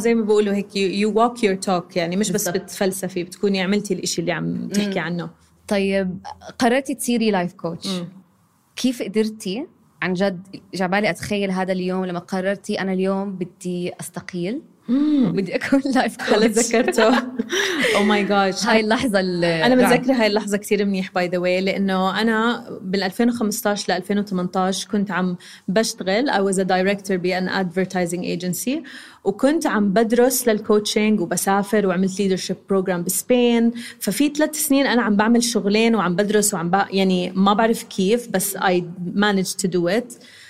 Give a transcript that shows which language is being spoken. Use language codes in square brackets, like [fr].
[ar] زي ما بقولوا هيك [en] you walk your talk, [ar] يعني مش بالزبط. بس بتفلسفي، بتكوني عملتي الإشي اللي عم تحكي عنه. طيب قررتي تصيري لايف كوتش، كيف قدرتي عن جد؟ جابالي أتخيل هذا اليوم لما قررتي أنا اليوم بدي أستقيل بدي أكون لايف كوتش. هل تذكرته؟ [en] Oh my gosh، [ar] هاي اللحظة أنا متذكرة هاي اللحظة كتير منيح [en] by the way، [ar] لأنه أنا بال 2015 ل 2018 كنت عم بشتغل، [en] I was a director by an advertising agency، [ar] وكنت عم بدرس للكوتشينج وبسافر وعملت [en] leadership program [ar] بسبين. ففي 3 سنين أنا عم بعمل شغلين وعم بدرس وعم يعني ما بعرف كيف، بس [en] I managed to do it.